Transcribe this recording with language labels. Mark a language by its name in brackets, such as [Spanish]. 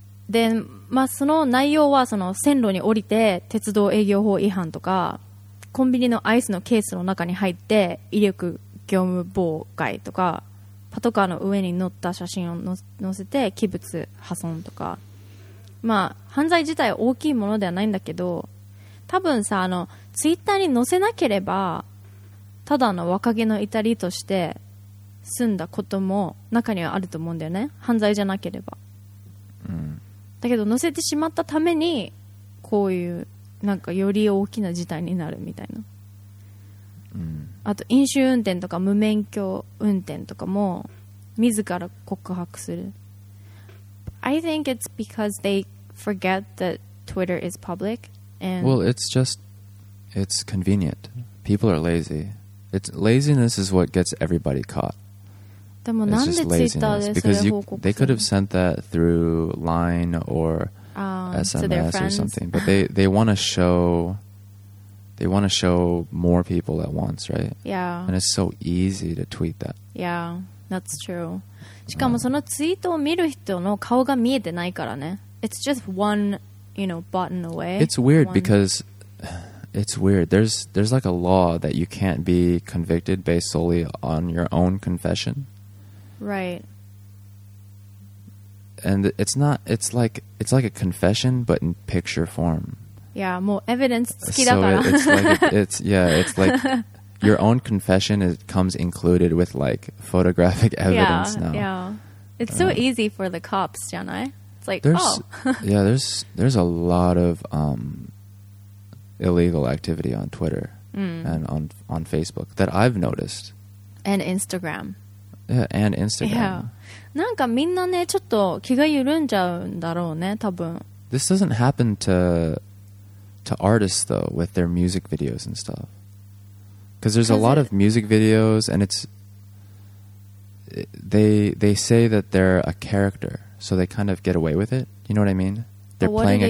[Japanese] で、まあ、その内容はその線路に降りて鉄道営業法違反とかコンビニのアイスのケースの中に入って威力業務妨害とかパトカーの上に乗った写真を載せて器物破損とか、まあ、犯罪自体大きいものではないんだけど、多分さツイッターに載せなければただの若気の至りとして済んだことも中にはあると思うんだよね、犯罪じゃなければ。だけど載せてしまったためにこういうなんかより大きな事態になるみたいな、あと飲酒運転とか無免許運転とかも自ら告白する。 [English] I think it's because they forget that Twitter is public and Well, it's convenient. People are lazy. Laziness is what gets everybody caught [Japanese] でもなんでツイッターでそれ報告するの? [English] They could have sent that through Line or SMS or something. But they want to show, they want to show more people at once, right? Yeah. And it's so easy to tweet that. Yeah, that's true. [Japanese] しかもそのツイートを見る人の顔が見えてないからね。 [English] It's just one, you know, button away. It's weird because it's weird. There's like a law that you can't be convicted based solely on your own confession. Right. And it's not, it's like a confession, but in picture form. Yeah, more evidence [Japanese] 好きだから。 [English] So it's like, it's like your own confession is, comes included with like photographic evidence yeah, now. Yeah, it's so easy for the cops, janai. It's like, there's, oh. yeah, there's a lot of illegal activity on Twitter and on Facebook that I've noticed. And Instagram. Yeah, and Instagram. Yeah. [Japanese] なんかみんなねちょっと気が緩んじゃうんだろうね多分 [English] This doesn't happen to artists though with their music videos and stuff because there's a lot of music videos and it's they say that they're a character so they kind of get away with it you know what I mean they're playing